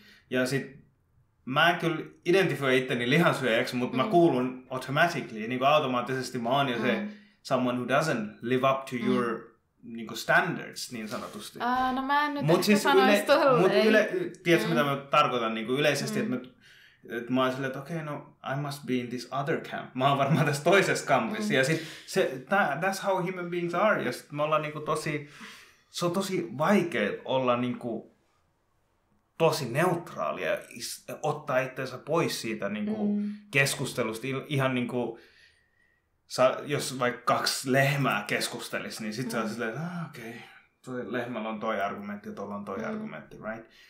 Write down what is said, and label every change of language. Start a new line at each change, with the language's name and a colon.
Finnish: Ja sitten mä en kyllä identifioi itteni lihansyöjäksi, mutta mä kuulun automatically, niin kuin automaattisesti mä oon jo se
English: someone who doesn't live up to your
Finnish: niin kuin standards, niin sanotusti. No mä en nyt mut ehkä siis sanois tolleen. Mutta tiedätkö mitä mä tarkoitan niin kuin yleisesti, että mä oon silleen, että okei, okay,
English: no I must be in this other camp.
Finnish: Mä oon varmaan tässä toisessa kampissa. Ja sitten
English: that's how human beings are.
Finnish: Ja sitten me ollaan niin kuin tosi, se on tosi vaikea olla niin kuin tosi neutraalia ottaa itseensä pois siitä niin kuin keskustelusta. Ihan niin kuin, jos vaikka kaksi lehmää keskustelisi, niin sitten sä olisit, että okei, okay, lehmällä on toi argumentti ja tuolla on toi argumentti, right?